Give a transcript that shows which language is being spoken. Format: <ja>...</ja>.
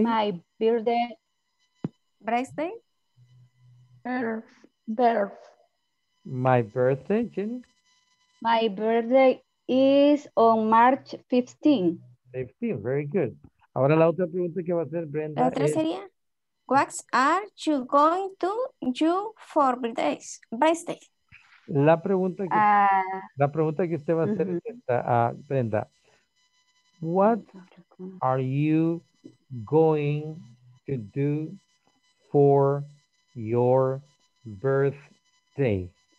<en>My birthday. Birthday. Birth. My birthday, Jenny. My birthday is on March 15. 15, very good.</en> <es>Ahora la otra pregunta que va a hacer Brenda. La otra sería.</es> <en>What are you going to do for birthdays? Birthday.</en> <es>La pregunta que usted va a hacer es esta, Brenda.</es> <en>What are you going to do for your birthday?</en>